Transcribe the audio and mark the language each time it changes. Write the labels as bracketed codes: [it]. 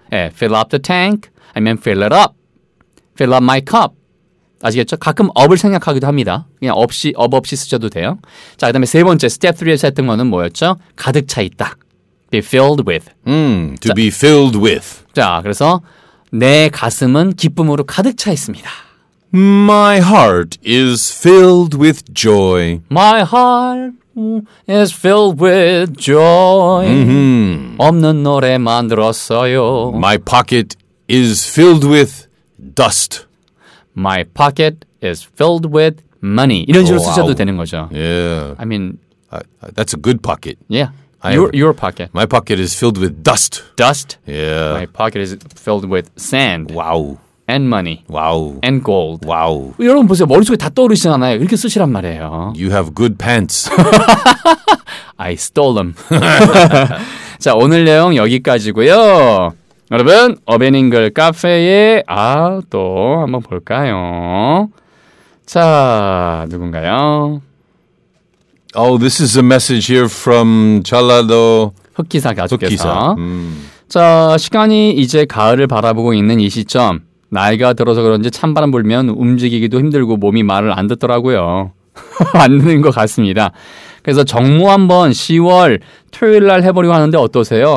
[en] 예, fill up the tank. I mean fill it up. Fill up my cup. [ko] 아시겠죠? 가끔 up을 생략하기도 합니다. 그냥 없이, up 없이 쓰셔도 돼요. 자, 그 다음에 세 번째, step 3에서 했던 거는 뭐였죠? 가득 차 있다. [en] Be filled with. To 자, be filled with. [ko] 자, 그래서 내 가슴은 기쁨으로 가득 차 있습니다. [en] My heart is filled with joy. My heart is filled with joy. Mm-hmm. [ko] 없는 노래 만들었어요. [en] My pocket is filled with dust. My pocket is filled with money. [ko] 이런 식으로 쓰셔도 wow. 되는 거죠. [en] Yeah. I mean, that's a good pocket. Yeah. Your pocket. My pocket is filled with dust. Dust? Yeah. My pocket is filled with sand. Wow. And money. Wow. And gold. Wow. [ko] 여러분 보세요. 머릿속에 다 떠오르시잖아요. 이렇게 쓰시란 말이에요. [en] You have good pants. I stole them. [ko] 자, 오늘 내용 여기까지고요. 여러분, 어벤잉글 카페에 아, 또 한번 볼까요? 자, 누군가요? [en] Oh, this is a message here from 전라도 [ko] 흑기사 가족께서. 흑기사. 자, 시간이 이제 가을을 바라보고 있는 이 시점. 나이가 들어서 그런지 찬바람 불면 움직이기도 힘들고 몸이 말을 안 듣더라고요. 안 듣는 것 같습니다. 그래서 정모 한번 10월 토요일 날 해보려고 하는데 어떠세요?